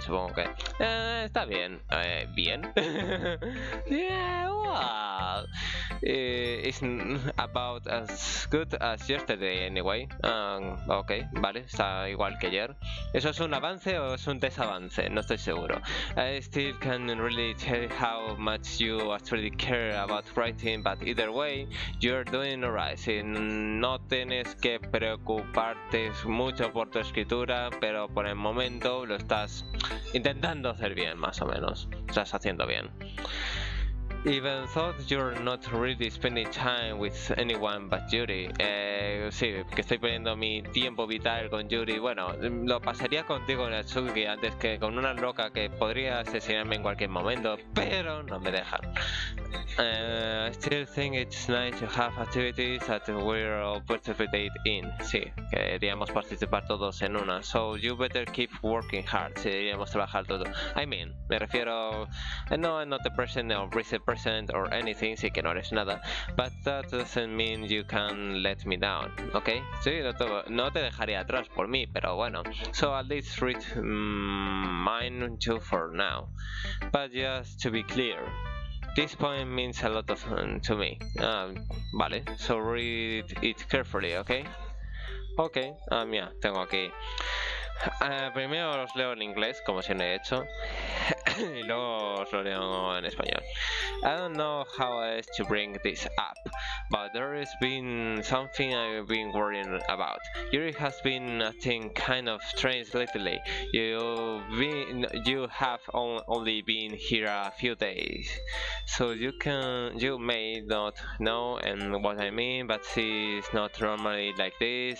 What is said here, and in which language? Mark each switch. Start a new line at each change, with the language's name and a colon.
Spanish: Supongo que está bien. Bien.
English: Yeah, well. It's about as good as yesterday, anyway.
Spanish: Ok, vale, está igual que ayer. ¿Eso es un avance o es un desavance? No estoy seguro.
English: I still can't really tell how much you actually care about writing, but either way, you're doing alright.
Spanish: Si no tienes que preocuparte mucho por tu escritura, pero por el momento lo estás intentando hacer bien, más o menos. Estás haciendo bien.
English: Even though you're not really spending time with anyone but Yuri.
Spanish: Sí, que estoy perdiendo mi tiempo vital con Yuri. Bueno, lo pasaría contigo, Natsuki, antes que con una loca que podría asesinarme en cualquier momento, pero no me deja.
English: I still think it's nice to have activities that we're all participate in.
Spanish: Sí, queríamos participar todos en una.
English: So you better keep working hard.
Spanish: Sí, deberíamos trabajar todo.
English: I mean,
Spanish: me refiero.
English: No, I'm not the person or vice president or anything,
Spanish: sí que no eres nada.
English: But that doesn't mean you can let me down.
Spanish: Ok, sí, no te dejaría atrás por mí, pero bueno.
English: So at least read mine too for now. But just to be clear. This poem means a lot of to me. Vale, so read it carefully, okay? Okay, yeah,
Spanish: tengo aquí. Primero los leo en inglés, como si no he hecho. Y luego os lo leo en español.
English: I don't know how else to bring this up, but there has been something I've been worrying about. Yuri has been acting kind of strange lately. You have only been here a few days, so you may not know what I mean, but she's not normally like this.